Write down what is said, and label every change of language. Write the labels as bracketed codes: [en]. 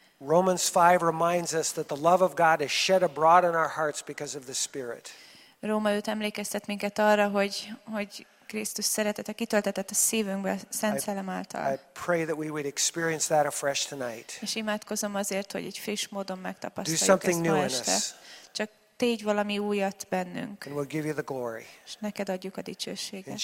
[en] Romans 5 reminds us that the love of God is shed abroad in our hearts because of the Spirit. [hu] Róma 5 emlékeztet minket arra, hogy Krisztus szeretete kitöltetett a szívünkbe a Szent Szellem által. [en] I pray that we would experience that afresh tonight. [hu] És imádkozom azért, hogy egy friss módon megtapasztaljuk ezt. [en] Do something new in us. [hu] Csak tégy valami újat bennünk. [en] And we'll give you the glory. [hu] És neked adjuk a dicsőséget.